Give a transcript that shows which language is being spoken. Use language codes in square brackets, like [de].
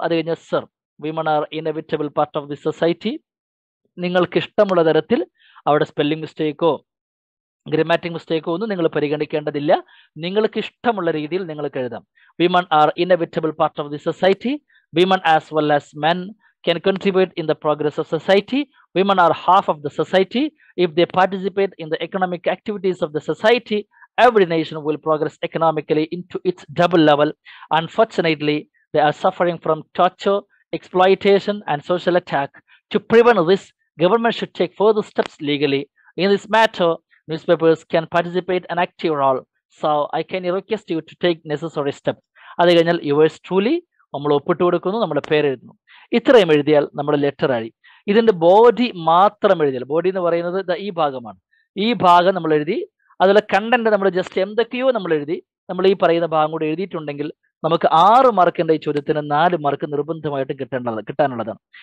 [ml] അത് കഴിഞ്ഞ sir, [en] women are inevitable part of the society, [ml] നിങ്ങൾക്ക് ഇഷ്ടമുള്ള തരത്തിൽ അവിടെ സ്പെല്ലിംഗ് മിസ്റ്റേക്കോ ഗ്രാമാറ്റിക് മിസ്റ്റേക്കോ ഒന്നും നിങ്ങൾ പരിഗണിക്കേണ്ടതില്ല, നിങ്ങൾക്ക് ഇഷ്ടമുള്ള രീതിയിൽ നിങ്ങൾക്ക് എഴുതാം. [en] Women are inevitable part of the society, women as well as men can contribute in the progress of society. Women are half of the society. If they participate in the economic activities of the society, every nation will progress economically into its double level. Unfortunately, they are suffering from torture, exploitation, and social attack. To prevent this, government should take further steps legally. In this matter, newspapers can participate an active role. So I can request you to take necessary steps. [ml] Adiganyal, [en] yours truly, [ml] നമ്മൾ ഒപ്പിട്ട് കൊടുക്കുന്നു, നമ്മുടെ പേരെഴുതുന്നു. ഇത്രയും എഴുതിയാൽ നമ്മുടെ ലെറ്ററായി. ഇതിൻ്റെ body മാത്രം എഴുതിയാൽ, ബോഡി എന്ന് പറയുന്നത് ഈ ഭാഗമാണ്, ഈ ഭാഗം നമ്മൾ എഴുതി, അതുപോലെ കണ്ടൻറ്റ് നമ്മൾ ജസ്റ്റ് എന്തൊക്കെയോ നമ്മൾ എഴുതി, നമ്മൾ ഈ പറയുന്ന ഭാഗം കൂടെ എഴുതിയിട്ടുണ്ടെങ്കിൽ നമുക്ക് 6 മാർക്കിൻ്റെ ഈ ചോദ്യത്തിന് 4 മാർക്ക് നിർബന്ധമായിട്ടും കിട്ടാനുള്ളതാണ്.